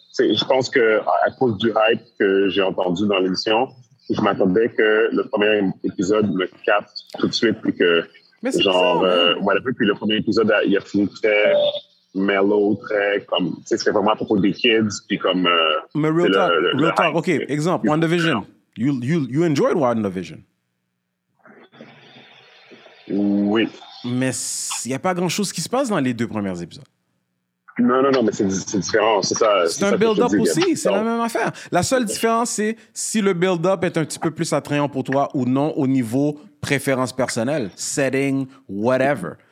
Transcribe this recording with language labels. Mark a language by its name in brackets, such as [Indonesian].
[French] Je pense que à cause du hype que j'ai entendu dans l'émission, je m'attendais que le premier épisode me capte tout de suite puis que puis le premier épisode il a fini très mellow, très comme tu sais c'était vraiment à propos des kids puis comme [English] mais real talk, ok, exemple WandaVision, you enjoyed WandaVision? [French] Oui, mais il y a pas grand chose qui se passe dans les deux premiers épisodes. Non, mais c'est différent, c'est ça. C'est un build-up aussi, c'est la même affaire. La seule différence, c'est si le build-up est un petit peu plus attrayant pour toi ou non au niveau préférence personnelle, setting, whatever.